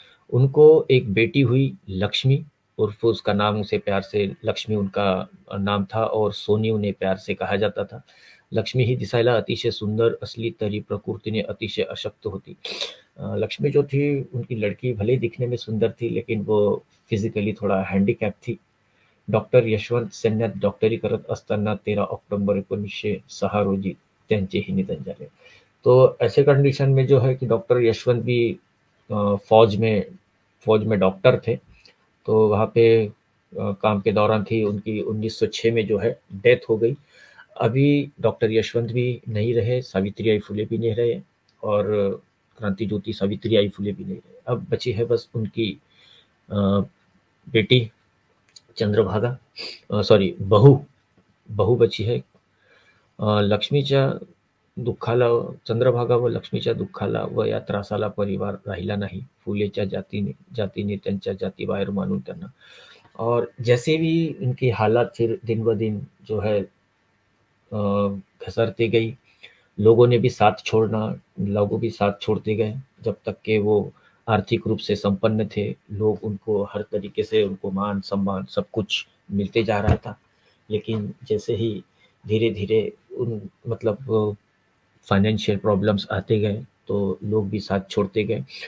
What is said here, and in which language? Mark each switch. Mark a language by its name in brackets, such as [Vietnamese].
[Hindi] उनको एक बेटी हुई लक्ष्मी, उर्फ उसका नाम उसे प्यार से लक्ष्मी उनका नाम था और सोनी उन्हें प्यार से कहा जाता था। [Marathi] लक्ष्मी ही दिसायला अतिशय सुंदर असली तरी प्रकृति ने अतिशय अशक्त होती। [Hindi] लक्ष्मी जो थी उनकी लड़की भले ही दिखने में सुंदर थी लेकिन वो फिजिकली थोड़ा हैंडीकैप थी। [Marathi] डॉक्टर यशवंत सैन्यात डॉक्टरी करत असताना 13 ऑक्टोबर 1906 रोजी त्यांचे ही निधन झाले। [Hindi] तो ऐसे कंडीशन में जो है कि डॉक्टर यशवंत भी फौज में डॉक्टर थे, तो वहाँ पे काम के दौरान थी उनकी 1906 में जो है डेथ हो गई। अभी डॉक्टर यशवंत भी नहीं रहे, सावित्रीबाई फुले भी नहीं रहे और क्रांति ज्योति सावित्रीबाई फुले भी नहीं रहे। अब बची है बस उनकी बेटी चंद्रभागा, सॉरी बहू बहू बची है [Marathi] लक्ष्मीच्या दुःखाला। चंद्रभागा व लक्ष्मीच्या दुःखाला व या त्रासाला परिवार राहिला नाही, फुलेच्या जातीने जातीने त्यांच्या जाती बाहेर मानून त्यांना। [Hindi] और जैसे भी इनकी हालात फिर दिन ब दिन जो है घसरती गई, लोगों ने भी साथ छोड़ना, लोगों भी साथ छोड़ते गए। जब तक के वो आर्थिक रूप से संपन्न थे, लोग उनको हर तरीके से उनको मान सम्मान सब कुछ मिलते जा रहा था, लेकिन जैसे ही धीरे धीरे उन मतलब फाइनेंशियल प्रॉब्लम्स आते गए तो लोग भी साथ छोड़ते गए।